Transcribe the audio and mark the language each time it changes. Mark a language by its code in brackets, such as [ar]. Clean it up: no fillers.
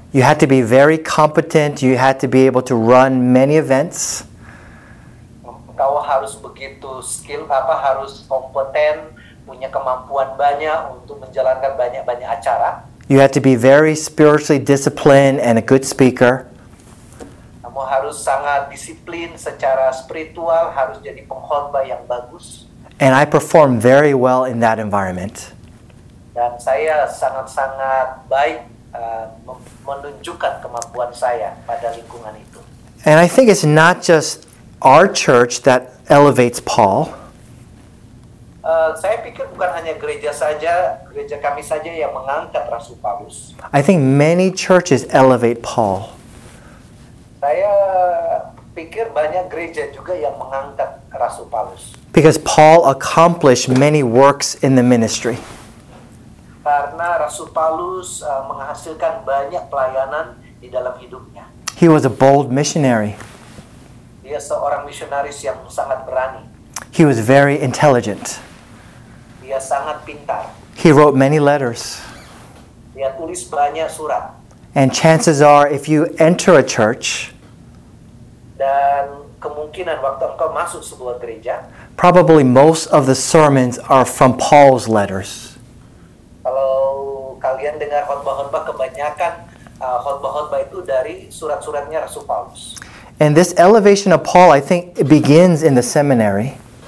[en] You had to be very competent. You had to be able to run many events. [id] Kau harus begitu skill, harus kompeten, punya kemampuan banyak untuk menjalankan banyak-banyak acara. [en] You have to be very spiritually disciplined and a good speaker. [id] Kamu harus sangat disiplin secara spiritual, harus jadi pengkhotbah yang bagus. [en] And I perform very well in that environment. [id] Dan saya sangat-sangat baik menunjukkan kemampuan saya pada lingkungan itu. [en] And I think it's not just our church that elevates Paul. [id] saya pikir bukan hanya gereja saja, gereja kami saja yang mengangkat Rasul Paulus. [en] I think many churches elevate Paul. [id] Saya pikir banyak gereja juga yang mengangkat Rasul Paulus. [en] Because Paul accomplished many works in the ministry. [id] Karena Rasul Paulus menghasilkan banyak pelayanan di dalam hidupnya. [en] He was a bold missionary. [id] Dia seorang misionaris yang sangat berani. [en] He was very intelligent. [id] Dia sangat pintar. [en] He wrote many letters. [id] Dia tulis banyak surat. [en] And chances are, if you enter a church, [id] dan kemungkinan waktu engkau masuk sebuah gereja, [en] probably most of the sermons are from Paul's letters. [id] Kalau kalian dengar khotbah-khotbah, kebanyakan khotbah-khotbah itu dari surat-suratnya Rasul Paulus. [en] And this elevation of Paul, I think, it begins in the seminary.